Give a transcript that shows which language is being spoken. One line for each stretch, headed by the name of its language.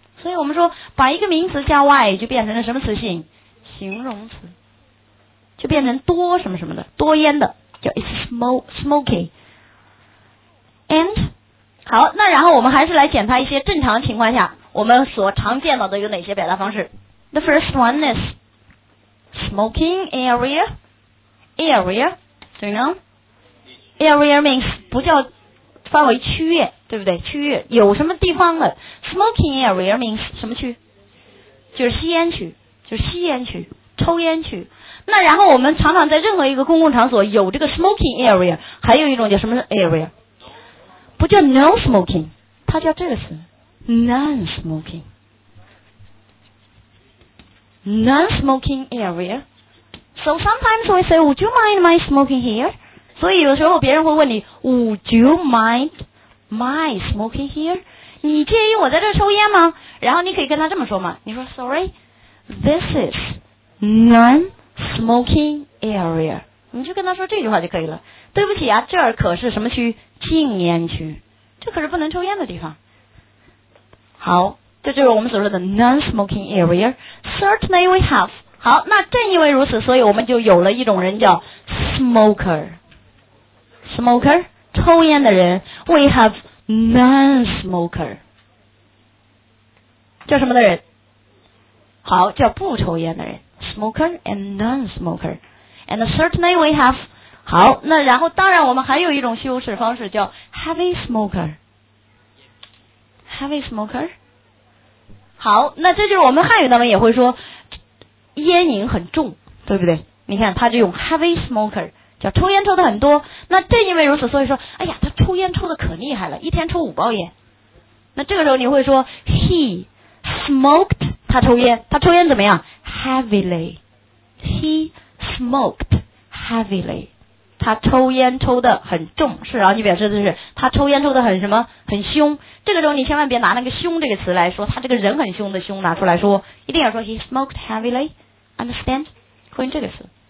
Chinese: 所以我们说把一个名词加 y 就变成了什么词性，形容词，就变成多什么什么的，多烟的叫
English: it's smoky。
Chinese: And 好，那然后我们还是来检查一些正常情况下我们所常见到的有哪些表达方式。
English: The first one is smoking area. Area, do you know area means
Chinese: 不叫范围区域，对不对？区域有什么地方的 smoking area means 什么区？就是吸烟区，就是吸烟区，抽烟区。那然后我们常常在任何一个公共场所有这个 smoking area， 还有一种叫什么 area， 不叫 no smoking， 它叫这个词 non smoking， non smoking area。
English: So sometimes we say would you mind my smoking here，
Chinese: 所以有时候别人会问你
English: would you mind my smoking here，
Chinese: 你介意我在这抽烟吗？然后你可以跟他这么说嘛，你说
English: sorry this is nonsmoking area，
Chinese: 你就跟他说这句话就可以了。对不起啊，这儿可是什么区？禁烟区，这可是不能抽烟的地方。好，这就是我们所说的 non-smoking area。
English: Certainly we have。
Chinese: 好，那正因为如此，所以我们就有了一种人叫 smoker， smoker 抽烟的人。
English: We have non-smoker，
Chinese: 叫什么的人？好，叫不抽烟的人，smoker and non-smoker。
English: And certainly we have，
Chinese: 好，那然后当然我们还有一种修饰方式叫 heavy smoker， heavy smoker。好，那这就是我们汉语当中也会说烟瘾很重，对不对？你看他就用 heavy smoker， 叫抽烟抽的很多。那正因为如此，所以说哎呀他抽烟抽的可厉害了，一天抽五包烟。那这个时候你会说
English: he smoked，
Chinese: 他抽烟，他抽烟怎么样？
English: Heavily, he smoked heavily.
Chinese: 他抽烟抽得很重，是啊，你表示的是他抽烟抽得很什么，很凶。这个时候你千万别拿那个凶这个词来说，他这个人很凶的凶拿出来说，一定要说
English: he smoked heavily. Understand?
Chinese: 会用这个词。